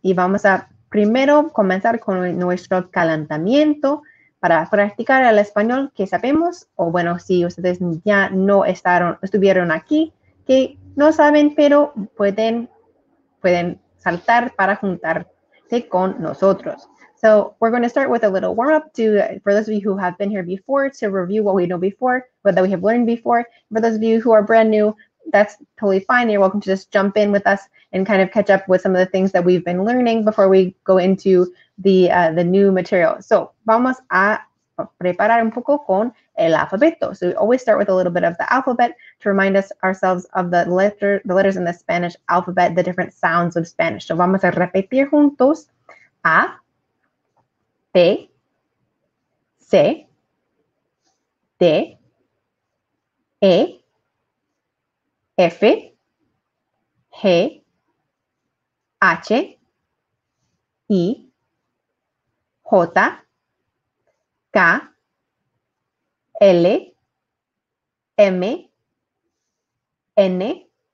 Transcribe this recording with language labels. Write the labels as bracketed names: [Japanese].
[Spanish] Y vamos a primero comenzar con nuestro calentamiento para practicar el español que sabemos, o bueno, si ustedes ya no estuvieron aquí, que no saben, pero pueden saltar para juntarse con nosotros. [English] So we're going to start with a little warm-up for those of you who have been here before to review what we know before, what that we have learned before. For those of you who are brand new, that's totally fine. You're welcome to just jump in with us and kind of catch up with some of the things that we've been learning before we go into the new material. [Spanish] So vamos a preparar un poco con el alfabeto. [English] So we always start with a little bit of the alphabet to remind us ourselves of the letters in the Spanish alphabet, the different sounds of Spanish. [Spanish] So vamos a repetir juntos: A, B, C, D, E, F, G, H, I, J, K, L, M, N,